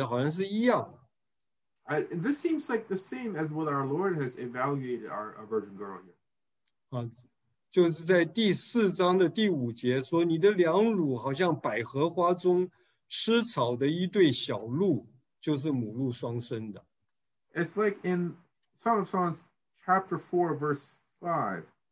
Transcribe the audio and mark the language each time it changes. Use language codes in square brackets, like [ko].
[zh] 在这里，我们在讲跟前面主对她的评估所描写的好像是一样的。 [en] This seems like the same as what our Lord has evaluated our virgin girl here. [zh] 就是在第四章的第五节说，你的两乳好像百合花中吃草的一对小鹿，就是母鹿双生的。 [en] It's like in Song of Songs, chapter 4, verse 5.